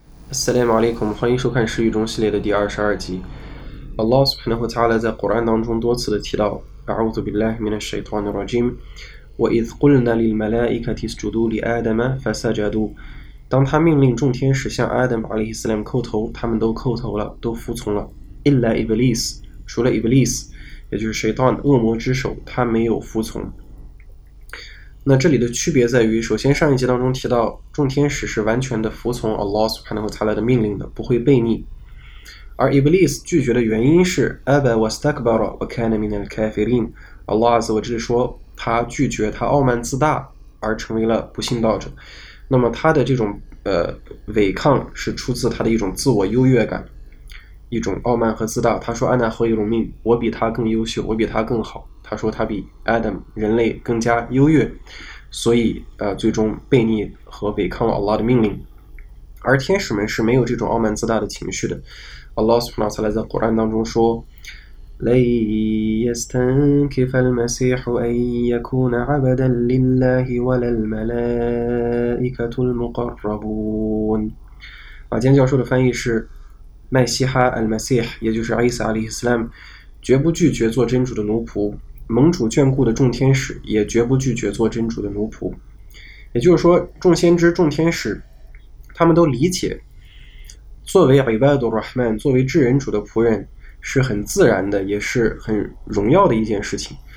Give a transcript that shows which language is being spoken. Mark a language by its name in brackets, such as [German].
[Arabic] السلام عليكم، [Chinese] 欢迎收看《诗语中》系列的第22集。 Allah [Arabic] سبحانه وتعالى [Chinese] 在 قرآن 当中多次的提到： [Arabic] “أعوذ بالله من الشيطان الرجيم”，“ وإذ قلنا للملائكة اسجدوا لآدم فسجدوا”。 [Chinese] 当他命令众天使向 Adam عليه السلام 叩头，他们都叩头了，都服从了。 [Arabic] إلا إبليس， [Chinese] 除了 إبليس，也就是 شيطان 恶魔之首，他没有服从。那这里的区别在于，首先上一集当中提到，众天使是完全的服从 Allah Subhanahu wa Ta'ala 的命令的，不会悖逆。而 Iblis 拒绝的原因是 [Arabic] Aba wastakbara wa kana min al-kafirin。 [Chinese] Allah Azza wa Jalla 说，他拒绝，他傲慢自大，而成为了不信道者。那么他的这种违抗是出自他的一种自我优越感，一种傲慢和自大。他说安娜何以容命，我比他更优秀，我比他更好。他说他比 Adam 人类更加优越，所以最终悖逆和违抗了 Allah 的命令。而天使们是没有这种傲慢自大的情绪的。 [Arabic] Allah Subhanahu wa Ta'ala [Chinese] 在 Quran 当中说：“ [Arabic] لَيْ يَسْتَنْكِفَ الْمَسِيحُ أَنْ يَكُونَ عَبْدًا لِلَّهِ وَلَا الْمَلَائِكَةُ الْمُقَرَّبُونَ。” [Chinese] 马坚教授的翻译是：“麦西哈 ·al-Masih，也就是 Isa alayhi salam，绝不拒绝做真主的奴仆。” 盟主眷顾的众天使也绝不拒绝做真主的奴仆，也就是说，众先知、众天使，他们都理解，作为 [Arabic] عباد الرحمن [Chinese] 作为至仁主的仆人，是很自然的，也是很荣耀的一件事情。